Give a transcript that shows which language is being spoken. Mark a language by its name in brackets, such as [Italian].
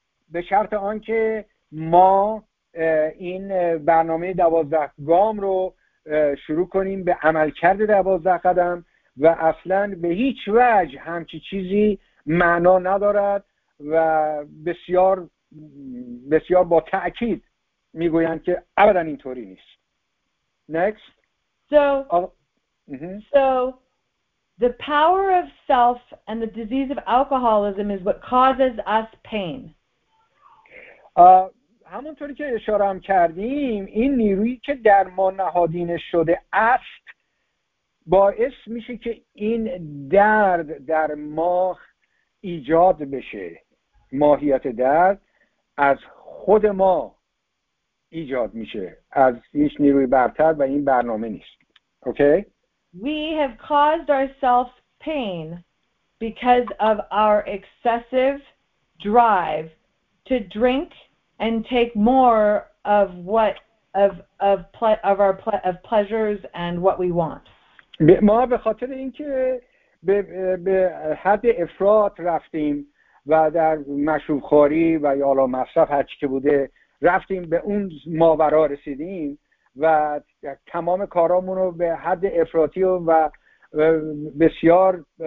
[Persian] به شرط آنکه ما این برنامه 12 گام رو شروع کنیم به عمل کرده 12 قدم و اصلا به هیچ وجه همچی چیزی معنا ندارد و بسیار بسیار با تأکید میگویند که ابدا اینطوری نیست. [English] Next. So the power of self and the disease of alcoholism is what causes us pain. [Persian] همونطوری که اشاره هم کردیم این نیرویی که در ما نهادینه شده است باعث میشه که این درد در ما ایجاد بشه. ماهیت درد از خود ما ایجاد میشه، از هیچ نیروی برتر و این برنامه نیست. اوکی؟ [English] We have caused ourselves pain because of our excessive drive to drink and take more of what of our pleasures and what we want. [Persian] ما به خاطر اینکه به حد افراط رفتیم و در مشروبخواری و یا حالا مصرف هر چی که بوده رفتیم به اون ماورا رسیدیم و تمام کارامون رو به حد افراطی و بسیار